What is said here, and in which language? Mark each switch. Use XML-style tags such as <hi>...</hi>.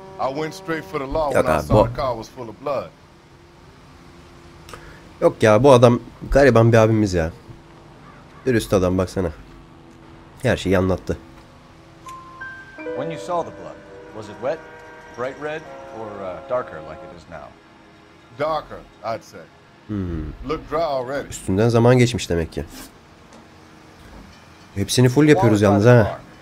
<en>I went straight for the law when I saw the car was full of blood.</en> <tr>Yok ya, bu adam gariban bir abimiz ya. Dürüst adam, baksana. Her şeyi anlattı.</tr> <en>When you saw the blood, was it wet, bright red or darker like it is now? Darker, I'd say. Looked dry already.</en> <tr>Üstünden zaman geçmiş demek ki. Hepsini full yapıyoruz yalnız ha.</tr>